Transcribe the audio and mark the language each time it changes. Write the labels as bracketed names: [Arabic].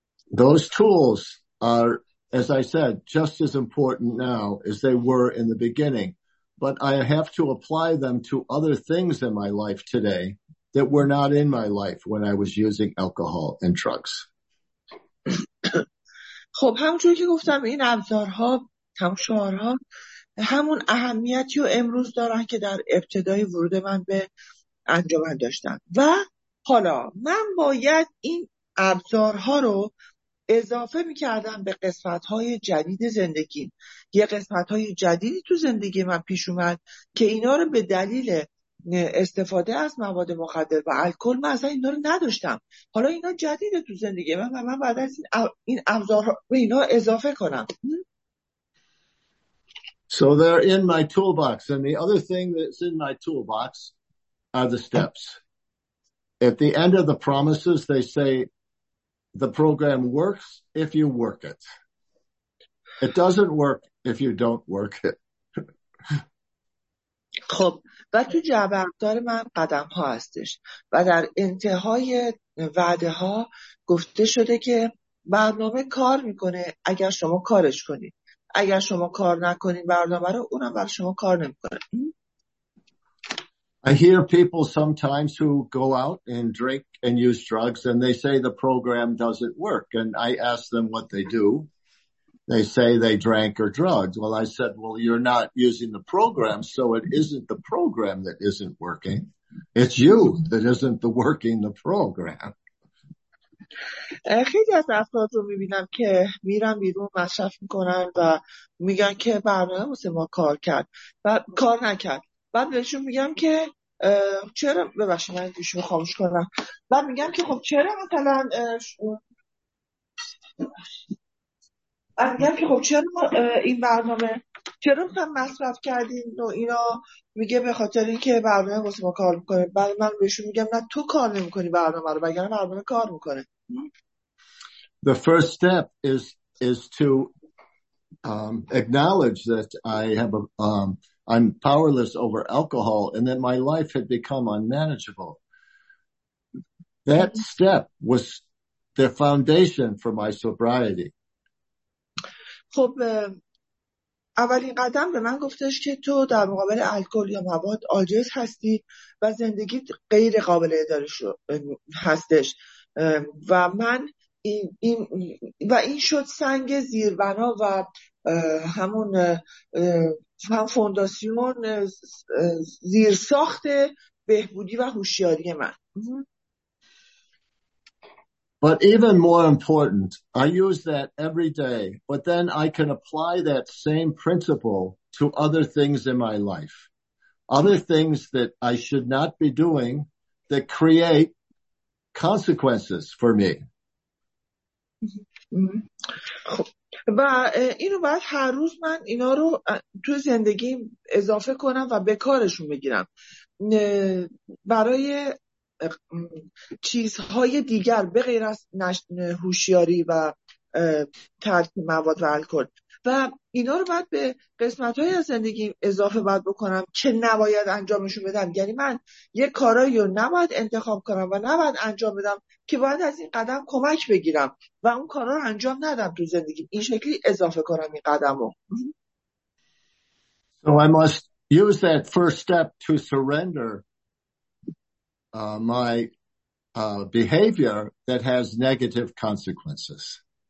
[English] Those tools are, as I said, just as important now as they were in the beginning, but I have to apply them to other things in my life today that were not in my life when I was using alcohol and drugs. [Persian] خب همونجوری که گفتم این ابزارها همون شعارها همون اهمیتی رو امروز دارن که در ابتدای ورود من به انجمن داشتن و حالا من باید این ابزارها رو اضافه میکردم به قسمتهای جدید زندگی. یه قسمتهای جدیدی تو زندگی من پیش اومد که اینا رو به دلیل استفاده از مواد مخدر و الکل من اصلا اینا رو نداشتم. حالا اینا جدیده تو زندگی من و من بعد از این ابزار به اینا اضافه کنم. [English] So they're in my toolbox and the other thing that's in my toolbox are the steps. At the end of the promises they say the program works if you work it. It doesn't work if you don't work it. [Persian] خب و تو جعبه ابزار من قدم ها هستش و در انتهای وعده ها گفته شده که برنامه کار میکنه اگر شما کارش کنید، اگر شما کار نکنید برنامه رو اونم برای شما کار نمیکنه. [English] I hear people sometimes who go out and drink and use drugs and they say the program doesn't work and I ask them what they do. They say they drank or drugged. Well, I said, well, you're not using the program, so it isn't the program that isn't working. It's you that isn't the working the program. [Persian] خیلی از افراد رو میبینم که میرن بیرون مصرف میکنن و میگن که برنامه واسه ما کار کرد و کار نکرد. بعد بهشون میگم که چرا ببخشید من گوشی رو خاموش کنم. بعد میگم که خب چرا مثلا میگم که خب چرا این برنامه چرا مثلا مصرف کردین و اینا، میگه به خاطر اینکه برنامه واسه ما کار میکنه. بعد من بهشون میگم نه تو کار نمیکنی برنامه رو، وگرنه برنامه کار میکنه. [English] The first step is to acknowledge that I have I'm powerless over alcohol and that my life had become unmanageable. That step was the foundation for my sobriety. خب [Persian] اولین قدم به من گفتش که تو در مقابل الکل یا مواد عاجز هستی و زندگیت غیر قابل اداره شو هستش و من این و این شد سنگ زیربنا و همون هم فونداسیون زیرساخت بهبودی و هوشیاری من. [English] But even more important, I use that every day, but then I can apply that same principle to other things in my life. Other things that I should not be doing that create consequences for me. [Persian] و اینو باید هر روز من اینا رو تو زندگی اضافه کنم و به کارشون بگیرم. برای چیزهای دیگر به غیر از هوشیاری و ترک مواد و الکل و اینا رو باید به قسمت‌های از زندگی اضافه باید بکنم که نباید انجامشون بدم. یعنی من یه کارایی رو نباید انتخاب کنم و نباید انجام بدم که باید از این قدم کمک بگیرم و اون کارا رو انجام ندم تو زندگی. این شکلی اضافه کنم این قدم رو. [English] So I must use that first step to surrender my behavior that has negative consequences.